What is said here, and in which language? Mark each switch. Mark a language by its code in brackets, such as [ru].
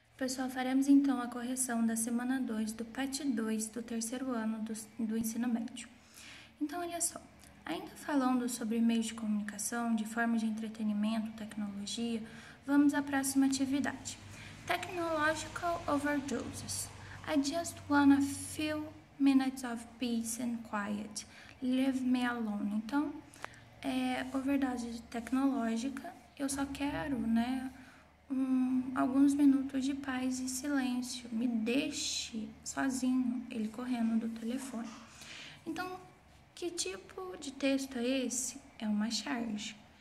[pt] Pessoal, faremos então a correção da semana 2 do parte 2 do terceiro ano do ensino médio. Então, olha só, ainda falando sobre meios de comunicação, de formas de entretenimento, tecnologia, vamos à próxima atividade. [en] Technological overdoses. I just want a few minutes of peace and quiet. Leave me alone. [pt] Então, overdose tecnológica, eu só quero, né? Alguns minutos de paz e silêncio, me deixe sozinho, ele correndo do telefone. Então, que tipo de texto é esse? É uma charge.